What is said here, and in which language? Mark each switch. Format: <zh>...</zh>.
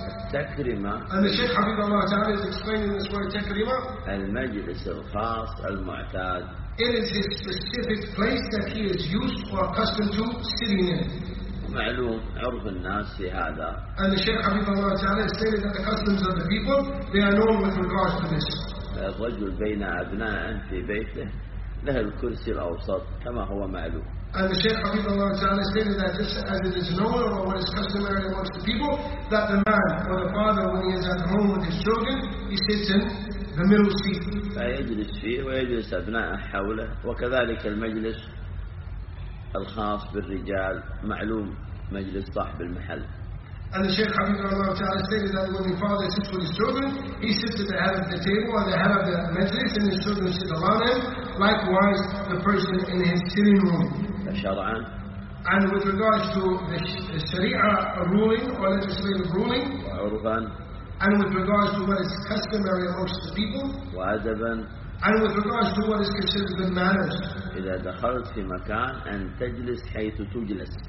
<en>And the Shaykh Habibullah Ta'ala is explaining this word takrimah.</en> <ar>Al majlis al khas al mu'tad.</ar> <en>It is his specific place that he is used or accustomed to sitting in.</en> <ar>معلوم عرف الناس في هذا.</ar> <en>And the Shaykh Habibullah Ta'ala stated that the customs of the people, they are known with regards to this.</en> <ar>الرجل بين أبنائه في بيته له الكرسي الأوسط كما هو معلوم.</ar> <en>And the Shaykh Habibullah Ta'ala stated that this, as it is known or what is customary amongst the people, that the man or the father, when he is at home with his children, he sits in the middle seat.</en> <ar>فيجلس فيه ويجلس أبناءه حوله وكذلك المجلس الخاص بالرجال معلوم مجلس صاحب المحل.</ar> <en>And the Shaykh Habibullah Ta'ala stated that when the father sits with his children, he sits at the head of the table or the head of the majlis, and his children sit around him. Likewise, the person in his sitting room.</en> <ar>الشرعان.</ar> <en>And with regards to the Sharia ruling or legislative ruling.</en> <ar>وعرفان.</ar> <en>And with regards to what is customary amongst the people.</en> <ar>وأدباً.</ar> <en>And with regards to what is considered good manners.</en> <ar>إذا دخلت في مكان أن تجلس حيث تجلس.</ar>